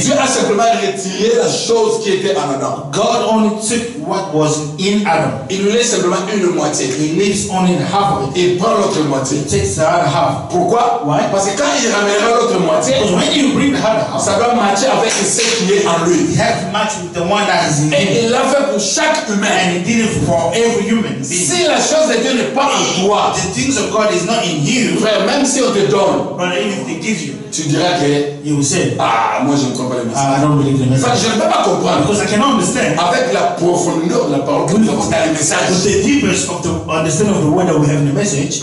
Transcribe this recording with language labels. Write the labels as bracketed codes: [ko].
[fr] Dieu a simplement retiré la chose qui était en Adam. [en] God only took what was in Adam. [fr] Il lui laisse simplement une moitié. [en] He leaves only half of it. [fr] Il prend l'autre moitié. [en] He takes the other half. [fr] Pourquoi? [en] Why? [fr] Parce que quand il ramènera l'autre moitié, [en] because when you bring the other half, [fr] ça doit matcher avec ce qui est en lui. [en] He has to match with the one that is in [fr] him. Et il l'a fait pour chaque humain. [en] And he did it for every human being. [fr] Si la chose de Dieu n'est pas en toi, [en] the things of God is not in you. [fr] Frère, même si on te donne, [en] brother, even if they give you, [fr] tu diras que [en] you will say, [fr] ah, moi je ne comprends pas le [en] message. I don't believe the message. [fr] Je ne peux pas comprendre. [en] Because I cannot understand. [fr] Avec la profondeur de la parole que nous avons dans le message. [en] With the deepness of the understanding of the word that we have in the message.